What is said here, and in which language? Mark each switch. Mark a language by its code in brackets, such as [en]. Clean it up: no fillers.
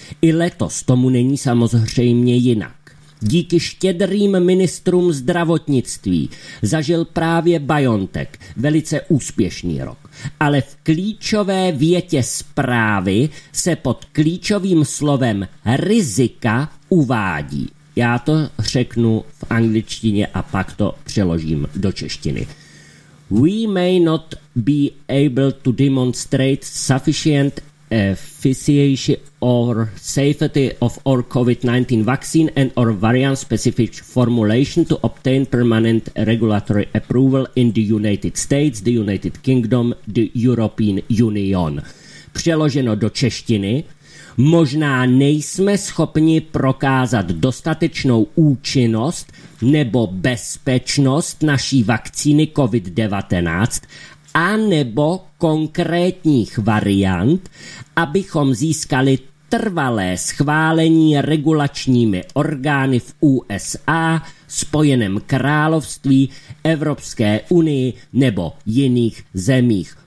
[cs] I letos tomu není samozřejmě jinak. Díky štědrým ministrům zdravotnictví zažil právě BioNTech velice úspěšný rok. Ale v klíčové větě zprávy se pod klíčovým slovem rizika uvádí. Já to řeknu v angličtině a pak to přeložím do češtiny. [en] We may not be able to demonstrate sufficient efficacy or safety of our COVID-19 vaccine and our variant-specific formulation to obtain permanent regulatory approval in the United States, the United Kingdom, the European Union. [cs] Přeloženo do češtiny, možná nejsme schopni prokázat dostatečnou účinnost nebo bezpečnost naší vakcíny COVID-19 a nebo konkrétních variant, abychom získali trvalé schválení regulačními orgány v USA, Spojeném království, Evropské unii nebo jiných zemích.